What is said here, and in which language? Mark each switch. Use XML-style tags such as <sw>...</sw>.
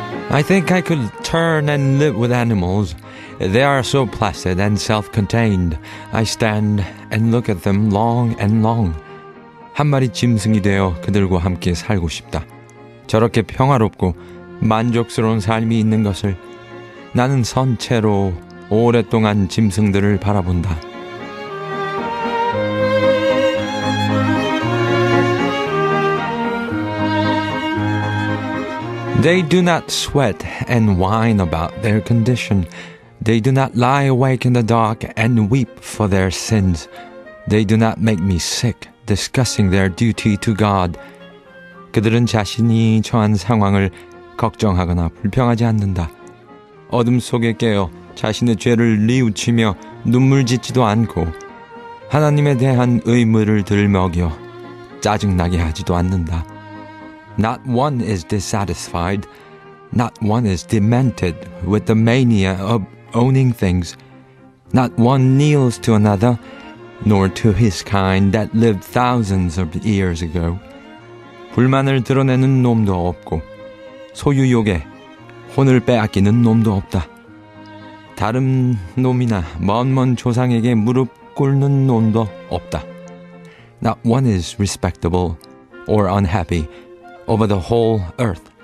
<en>I think I could turn and live with animals. They are so placid and self-contained. I stand and look at them long and long.</en> <ko>한 마리 짐승이 되어 그들과 함께 살고 싶다. 저렇게 평화롭고 만족스러운 삶이 있는 것을 나는 선 채로 오랫동안 짐승들을 바라본다.</ko> <en>They do not sweat and whine about their condition. They do not lie awake in the dark and weep for their sins. They do not make me sick, discussing their duty to God.</en> <ko>그들은 자신이 처한 상황을 걱정하거나 불평하지 않는다. 어둠 속에 깨어 자신의 죄를 뉘우치며 눈물 짓지도 않고 하나님에 대한 의무를 들먹여 짜증나게 하지도 않는다.</ko> <en>Not one is dissatisfied. Not one is demented with the mania of owning things. Not one kneels to another, nor to his kind that lived thousands of years ago.</en> <ko>불만을 드러내는 놈도 없고 소유욕에 혼을 빼앗기는 놈도 없다. 다른 놈이나 먼먼 조상에게 무릎 꿇는 놈도 없다.</ko> <en>Not one is respectable or unhappy. Over the whole earth.</en>